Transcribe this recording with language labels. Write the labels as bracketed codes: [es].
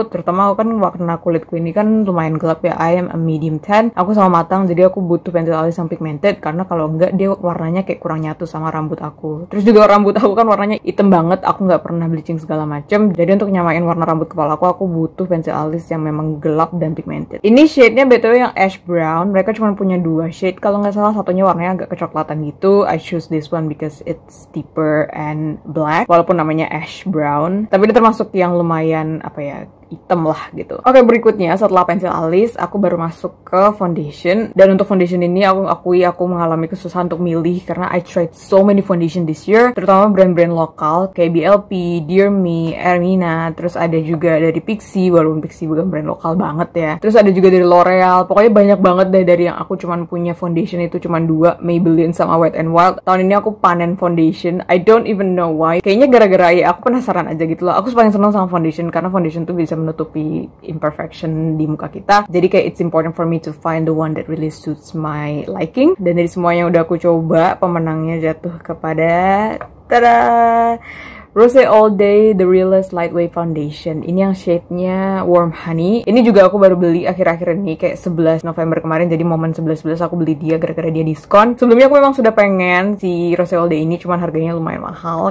[id] Terutama aku kan warna kulitku ini kan lumayan gelap ya, [en] I am a medium tan, [id] aku sama matang, jadi aku butuh pensil alis yang pigmented karena kalau nggak dia warnanya kayak kurang nyatu sama rambut aku. Terus juga rambut aku kan warnanya hitam banget, aku nggak pernah bleaching segala macam, jadi untuk nyamain warna rambut kepala aku butuh pensil alis yang memang gelap dan pigmented. Ini shade-nya betul yang ash brown, mereka cuma punya dua shade. Kalau nggak salah satunya warnanya agak kecoklatan gitu. I choose this one because it's deeper and black. Walaupun namanya ash brown, tapi dia termasuk yang lumayan apa ya, hitam lah gitu. Oke, berikutnya setelah pensil alis, aku baru masuk ke foundation. Dan untuk foundation ini aku akui aku mengalami kesusahan untuk milih karena [en] I tried so many foundation this year, [id] terutama brand-brand lokal kayak BLP, Dear Me, Ermina, terus ada juga dari Pixi, walaupun Pixi bukan brand lokal banget ya. Terus ada juga dari L'Oreal. Pokoknya banyak banget deh dari yang aku cuman punya foundation itu cuman dua, Maybelline sama Wet n Wild. Tahun ini aku panen foundation. [en] I don't even know why. [id] Kayaknya gara-gara ya aku penasaran aja gitu loh. Aku paling senang sama foundation karena foundation tuh bisa menutupi imperfection di muka kita. Jadi kayak [en] it's important for me to find the one that really suits my liking. [id] Dan dari semua yang udah aku coba, pemenangnya jatuh kepada tada, Rose All Day The Realest Lightweight Foundation. Ini yang shade-nya Warm Honey. Ini juga aku baru beli akhir-akhir ini, kayak 11 November kemarin. Jadi momen 11-11 aku beli dia gara-gara dia diskon. Sebelumnya aku memang sudah pengen si Rose All Day ini, cuman harganya lumayan mahal.